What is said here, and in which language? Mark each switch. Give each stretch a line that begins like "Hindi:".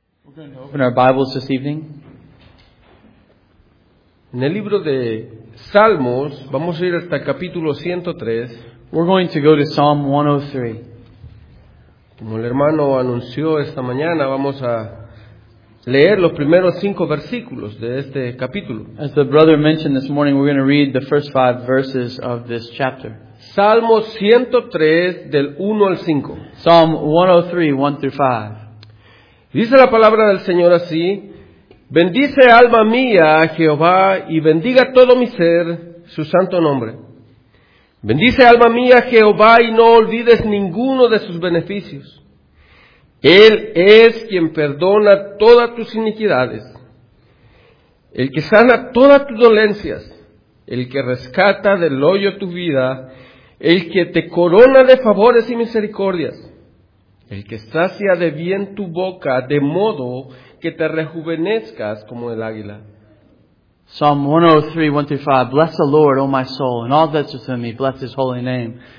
English: We're going to open our Bibles this evening.
Spanish: En el libro de Salmos, vamos a ir hasta el capítulo 103.
English: We're going to go to Psalm 103.
Spanish: Como el hermano anunció esta mañana, vamos a leer los primeros 5 versículos de este capítulo.
English: As the brother mentioned this morning, we're going to read the first 5 verses of this chapter.
Spanish: Salmo 103, del 1 al 5.
English: Psalm 103, 1 through 5.
Spanish: Dice la palabra del Señor así: Bendice alma mía a Jehová y bendiga todo mi ser su santo nombre. Bendice alma mía a Jehová y no olvides ninguno de sus beneficios. Él es quien perdona todas tus iniquidades, el que sana todas tus dolencias, el que rescata del hoyo tu vida, el que te corona de favores y misericordias, el que sacia de bien tu boca, de modo que te rejuvenezcas como el águila.
English: Psalm 103, 1-5. Bless the Lord, O my soul, and all that's within me. Bless His holy name.